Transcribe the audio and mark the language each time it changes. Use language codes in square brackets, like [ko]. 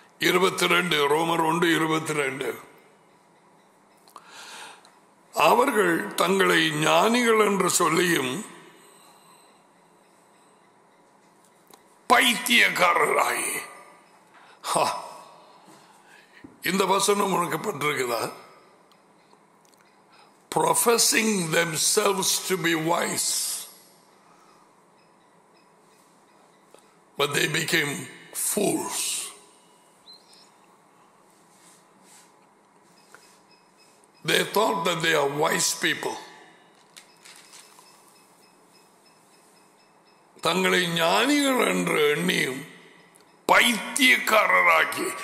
[ta] 22 ரோமர் 1:22 அவர்கள் தங்களை ஞானிகள் என்று சொல்லியும் பைத்தியக்காரராய். இந்த வசனம் உணர்க்கப்பட்டிருக்குதா? [en] Professing themselves to be wise, but they became fools. They thought that they are wise people. [ta] தங்களை ஞானிகள் என்று எண்ணியும் பைத்தியக்காரராகி.